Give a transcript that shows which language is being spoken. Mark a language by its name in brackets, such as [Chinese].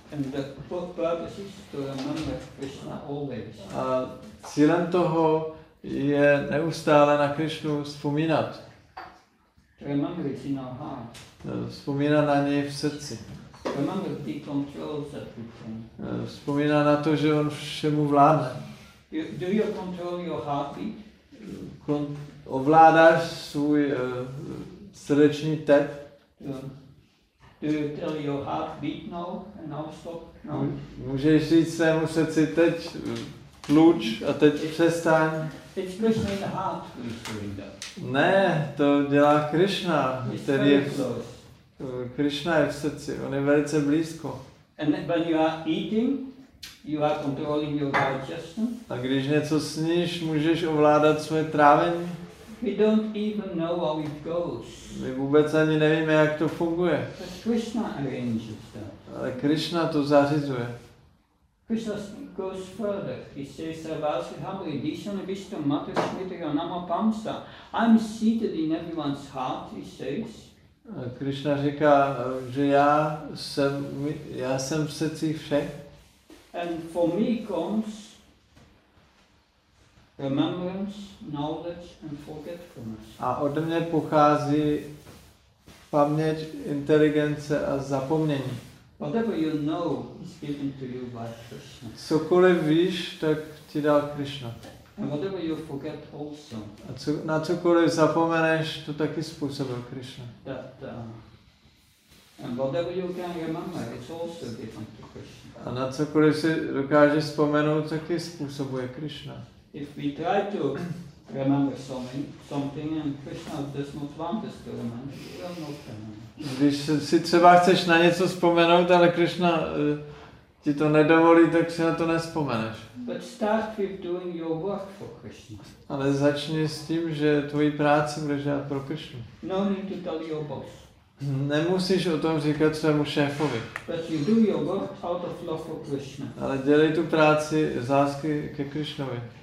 [English] And the purpose is to remember Krishna always. [Czech] A cílem toho je neustále na Krishnu vzpomínat. [English] Remember it in our heart. [Czech] Vzpomíná na něj v srdci. [English] Remember he controls everything. [Czech] Vzpomíná na to, že on všemu vládne. [English] Do you control your heartbeat? [Czech] Ovládáš svůj srdeční tep? [English] Do you tell your heartbeat now and now stop? No. [Czech] Můžeš říct svému srdci teď tluč a teď přestaň. [English] It's Krishna in the heart who's doing that. [Czech] Ne, to dělá Krishna, [English] he's [Czech] který je Krishna je v srdci, on je velice blízko. [English] And when you are eating, you are controlling your digestion. [Czech] A když něco sníš, můžeš ovládat svoje trávení. [English] We don't even know how it goes. [Czech] My vůbec ani nevíme, jak to funguje. [English] But Krishna arranges that. [Czech] Ale Krishna to zařizuje. [English] Krishna goes further. He says, [Sanskrit] "Sarvasya hamri dishana vishto mata smitra nama pamsa." [English] I'm seated in everyone's heart, he says. [Czech] Krishna říká, že já jsem v srdci všech. [English] And for me comes remembrance, knowledge and forgetfulness. [Czech] A ode mě pochází paměť, inteligence a zapomnění. [English] Whatever you know is given to you by Krishna. [Czech] Cokoliv víš, tak ti dal Krishna. [English] And whatever you forget also. [Czech] A co, na cokoliv zapomeneš, to taky způsobil Krishna. [English] And whatever you can remember, it's also given to Krishna. [Czech] A na cokoliv si dokážeš vzpomenout, taky způsobuje Krishna. [English] If we try to remember something and Krishna does not want us to remember, we will not remember. [Czech] Když si třeba chceš na něco vzpomenout, ale Krishna ti to nedovolí, tak si na to nespomeneš. [English] But start with doing your work for Krishna. [Czech] Ale začni s tím, že tvoji práci budeš dělat pro Krishnu. [English] No need to tell your boss. [Czech] Nemusíš o tom říkat svému šéfovi. [English] But you do your work out of love for Krishna. [Czech] Ale dělej tu práci z lásky ke Krishnovi.